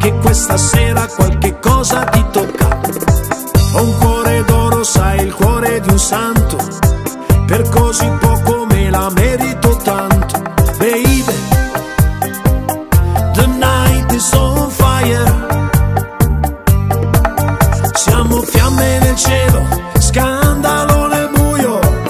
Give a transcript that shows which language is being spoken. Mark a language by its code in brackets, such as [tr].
[it] Stasera qualche cosa ti tocca. Ho un cuore d'oro, sai, il cuore di un santo. Per così poco me la merito tanto. [en] Baby, the night is on fire. [it] Siamo fiamme nel cielo, scandalo nel buio.